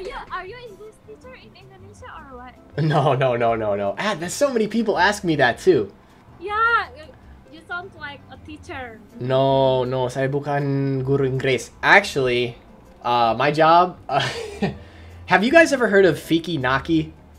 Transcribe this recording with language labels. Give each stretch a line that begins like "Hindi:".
English: Are you English teacher in Indonesia or what? No. Ah, there's so many people ask me that too. Yeah, you sound like a teacher.
Indonesian: No, saya bukan guru Inggris.
English: Actually, my job. have you guys ever heard of Fiki Naki?